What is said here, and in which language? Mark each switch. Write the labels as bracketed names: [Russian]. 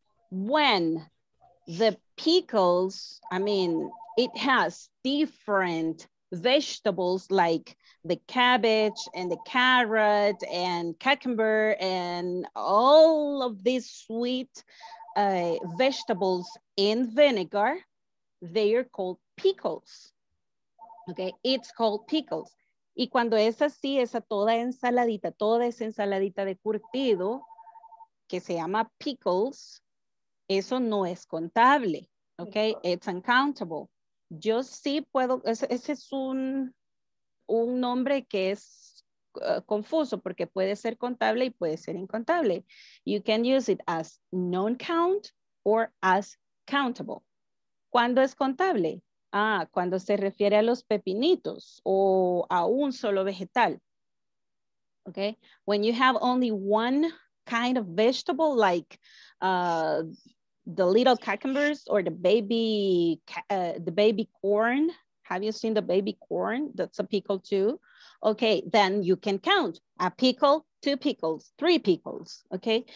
[English] When the pickles, I mean, it has different vegetables like the cabbage and the carrot and cucumber and all of these sweet vegetables in vinegar, they are called pickles, okay? It's called pickles. [Spanish] Y cuando es así, esa toda ensaladita, toda esa ensaladita de curtido que se llama pickles, eso no es contable, okay? [English] It's uncountable. [Spanish] Yo sí puedo, ese es un nombre que es confuso porque puede ser contable y puede ser incontable. [English] You can use it as non-count or as countable. [Spanish] ¿Cuándo es contable? Ah, cuando se refiere a los pepinitos o a un solo vegetal. [English] Okay, when you have only one kind of vegetable like the little cucumbers or the baby corn. Have you seen the baby corn? That's a pickle too. Okay, then you can count a pickle, two pickles, three pickles, okay?